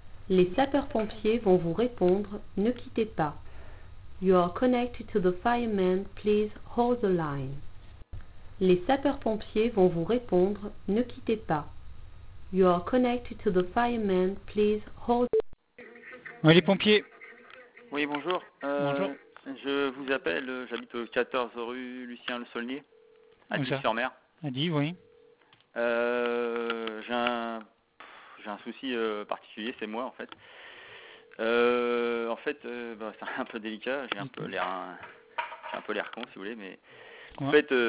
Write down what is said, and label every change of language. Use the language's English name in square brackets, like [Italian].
[French] Les sapeurs-pompiers vont vous répondre, ne quittez pas. [English] You are connected to the firemen, please hold the line. [French] Les sapeurs-pompiers vont vous répondre, ne quittez pas. [English] You are connected to the firemen, please hold. [French] Oui, les pompiers. Oui, bonjour. Bonjour. Je vous appelle, j'habite au 14 rue Lucien Le Saulnier, à Dives-sur-Mer. À Dives, oui. J'ai un souci particulier, c'est moi en fait. En fait, c'est un peu délicat, j'ai un peu l'air con si vous voulez, mais ouais.